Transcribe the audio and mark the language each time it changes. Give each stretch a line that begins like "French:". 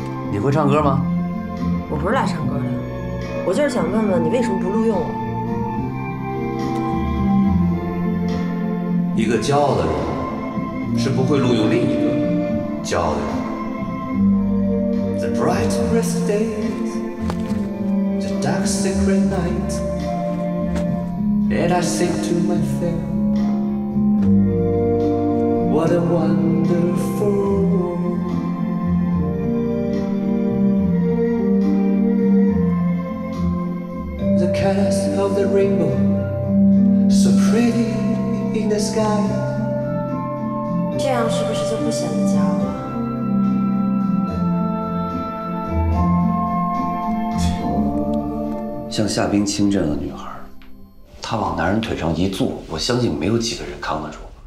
Chinese: 你会唱歌吗？我不是来唱歌的，我就是想问问你为什么不录用我。一个骄傲的人是不会录用另一个骄傲的人。
English: The bright crisp days, the dark secret night, and I sing to my fair. What a wonderful world. The colors of the rainbow, so pretty in the sky.
Chinese: 这样是不是就不显得骄傲？像夏冰清这样的女孩，她往男人腿上一坐，我相信没有几个人扛得住。